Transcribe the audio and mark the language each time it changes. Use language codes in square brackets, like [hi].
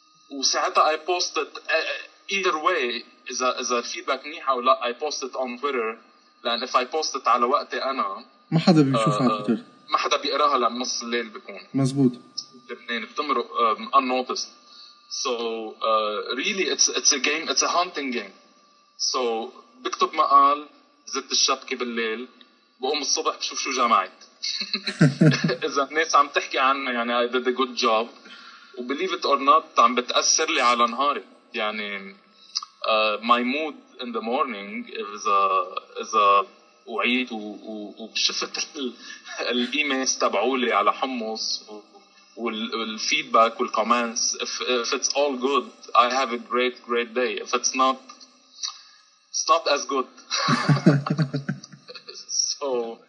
[ar] وساعتها [en] I posted either way, [ar] إذا الفيدباك منيح أو لا [en] I posted on Twitter, [ar] لأن [en] if I posted [ar] على وقتي أنا ما حدا بيشوفها على Twitter, ما حدا بيقراها لأن نص الليل بيكون مزبوط لبنان بتمرق [en] unnoticed. so really it's a game, it's a hunting game. [ar] so بكتب مقال, زدت الشبكة بالليل, بقوم الصبح بشوف شو جمعت. إذا الناس عم تحكي عنه يعني [en] I did a good job, [ar] و [en] believe it or not [ar] عم بتأثر لي على نهاري. يعني [en] my mood in the morning [ar] إذا وعيت وشفت الإيميلز تبعولي على حمص والفيدباك والكومنتس, [en] if it's all good I have a great great day, if it's not it's not as good. so